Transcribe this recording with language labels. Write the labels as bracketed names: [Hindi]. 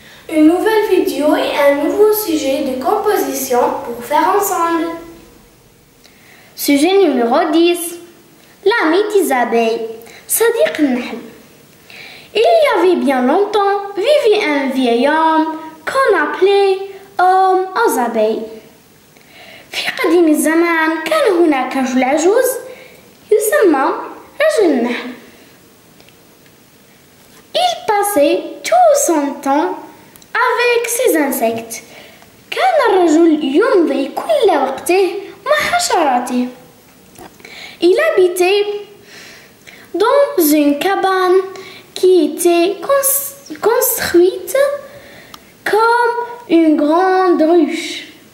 [French] Une nouvelle vidéo et un nouveau sujet de composition pour faire ensemble. Sujet numéro 10. L'ami des abeilles, Sadiq al-Nahl. Il y avait bien longtemps, vivait un vieil homme qu'on appelait homme aux abeilles. [Arabic] في قديم الزمان كان هناك رجل عجوز يسمى رجل النحل. [French] Il passait tout son temps avec ses insectes. [Arabic] كان الرجل يمضي كل وقته مع حشراته. [French] Il habitait dans une cabane qui était construite comme une grande ruche.